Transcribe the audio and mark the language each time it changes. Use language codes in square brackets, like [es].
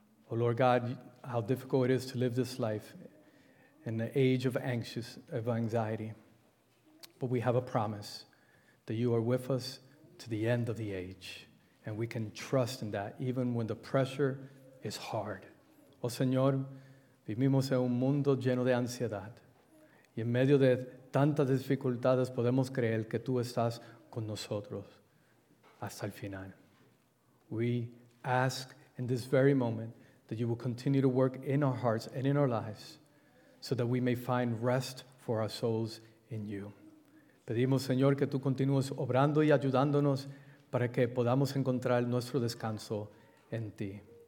[en] Oh Lord God, how difficult it is to live this life in the age of anxiety. But we have a promise that you are with us to the end of the age, and we can trust in that even when the pressure is hard. [es] Oh Señor, vivimos en un mundo lleno de ansiedad, y en medio de tantas dificultades podemos creer que tú estás con nosotros hasta el final. [en] We ask in this very moment that you will continue to work in our hearts and in our lives so that we may find rest for our souls in you. [es] Pedimos, Señor, que tú continúes obrando y ayudándonos para que podamos encontrar nuestro descanso en ti.